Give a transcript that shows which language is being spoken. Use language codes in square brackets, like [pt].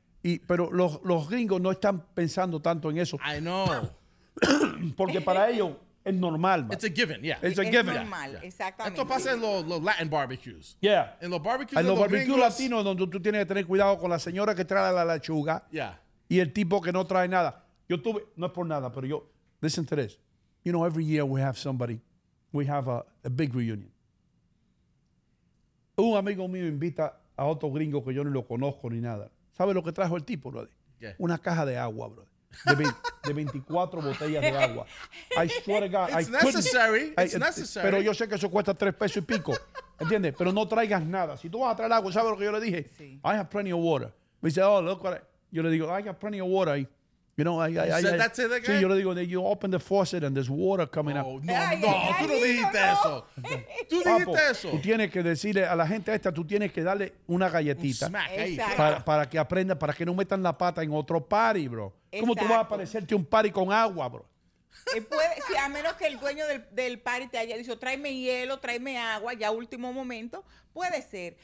[es] Pero los gringos no están pensando tanto en eso. [en] I know. [es] Porque para ellos es normal. [en] It's a given, yeah. It's a given. [es] Es normal, exactamente. Esto pasa en los [en] Latin barbecues. Yeah. [es] En los barbecues latinos. En los barbecues gringos, latinos, donde tú tienes que tener cuidado con la señora que trae la lechuga. [en] Yeah. [es] Y el tipo que no trae nada. Yo tuve, no es por nada, pero yo, [en] listen to this. You know, every year we have a big reunion. [es] Un amigo mío invita a otro gringo que yo no lo conozco ni nada. ¿Sabe lo que trajo el tipo, brother? [en] Yeah. [es] Una caja de agua, brother. De 24 botellas de agua. [en] I swear to God. It's necessary. [es] Pero yo sé que eso cuesta 3 pesos y pico. ¿Entiendes? Pero no traigas nada. Si tú vas a traer agua, ¿sabe lo que yo le dije? Sí. [en] I have plenty of water. [es] Me dice, [en] oh, look what I... [es] Yo le digo, [en] I got plenty of water. You said that to the guy? [es] Sí, yo le digo, [en] you open the faucet and there's water coming out. [es] No, tú no dijiste eso. Tú dijiste eso. Tú tienes que decirle a la gente esta, tú tienes que darle una galletita. Un smack ahí. Para que aprenda, para que no metan la pata en otro party, bro. Exacto. ¿Cómo tú vas a parecerte un party con agua, bro? Puede, a menos que el dueño del party te haya dicho, tráeme hielo, tráeme agua, ya último momento, puede ser.